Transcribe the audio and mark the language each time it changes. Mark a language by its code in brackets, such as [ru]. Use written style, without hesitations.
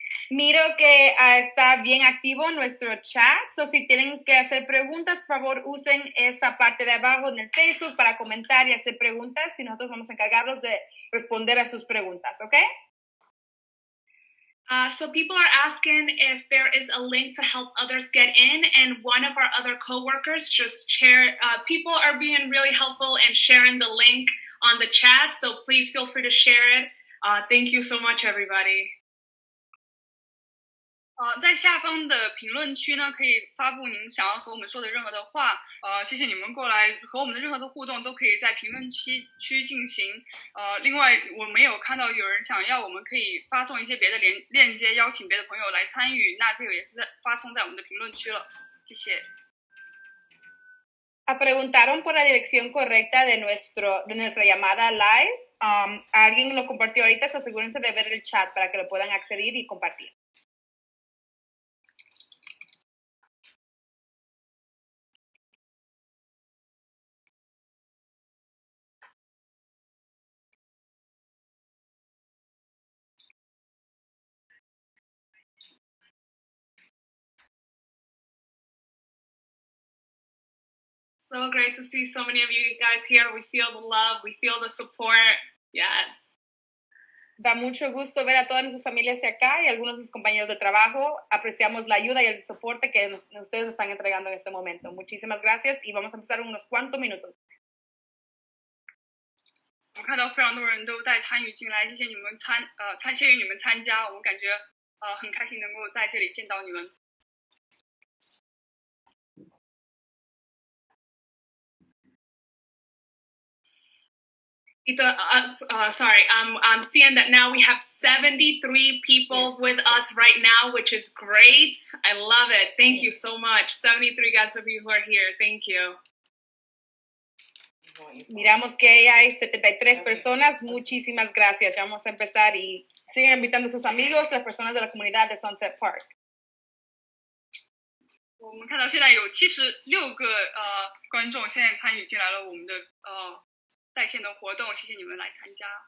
[es] Miro que está bien activo nuestro chat, so si tienen que hacer preguntas, por favor usen esa parte de abajo en el Facebook para comentar y hacer preguntas y nosotros vamos a encargarnos de responder a sus preguntas, ¿ok? [en] So people are asking if there is a link to help others get in, and one of our other coworkers just shared, people are being really helpful and sharing the link on the chat, so please feel free to share it. Thank you so much, everybody. [zh] 在下方的评论区呢，可以发布您想要和我们说的任何的话。谢谢你们过来和我们的任何的互动都可以在评论区进行。另外，我没有看到有人想要，我们可以发送一些别的链接，邀请别的朋友来参与。那这个也是在发送在我们的评论区了，谢谢。 [es] Preguntaron por la dirección correcta de nuestra llamada live. Alguien lo compartió ahorita, so asegúrense de ver el chat para que lo puedan acceder y compartir. [en] So great to see so many of you guys here. We feel the love, we feel the support. Yes. [es] Da mucho gusto ver a todas nuestras familias acá y algunos de mis compañeros de trabajo. Apreciamos la ayuda y el soporte que ustedes nos están entregando en este momento. Muchísimas gracias y vamos a empezar unos cuantos minutos. [zh] 我看到非常多人都在参与进来，谢谢你们谢谢你们参加，我感觉很开心能够在这里见到你们。 [en] I'm seeing that now we have 73 people with us right now, which is great. I love it. Thank you so much. 73 guys of you who are here. Thank you. [es] Miramos que hay 73 personas. Muchísimas gracias. Ya vamos a empezar y siguen invitando a sus amigos, las personas de la comunidad de Sunset Park. [zh] 我们看到现在有76个观众现在参与进来了我们的在线的活动，谢谢你们来参加。